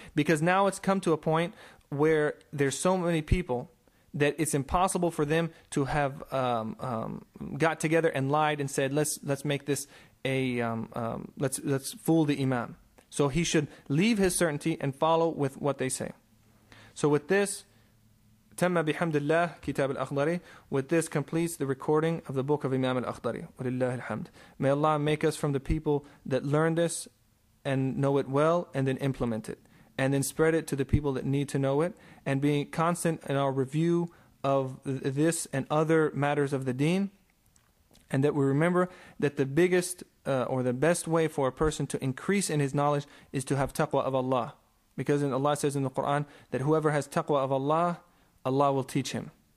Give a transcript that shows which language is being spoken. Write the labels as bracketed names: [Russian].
[English] Because now it's come to a point where there's so many people that it's impossible for them to have got together and lied and said, let's make this let's fool the imam. So he should leave his certainty and follow with what they say. So with this, [Arabic] تم بحمد الله كتاب الأخضري. [English] With this completes the recording of the book of Imam al-Akhdari. [Arabic] ولله الحمد. [English] May Allah make us from the people that learn this and know it well, and then implement it, and then spread it to the people that need to know it, and being constant in our review of this and other matters of the deen, and that we remember that the biggest or the best way for a person to increase in his knowledge is to have taqwa of Allah. Because Allah says in the Quran that whoever has taqwa of Allah, Allah will teach him.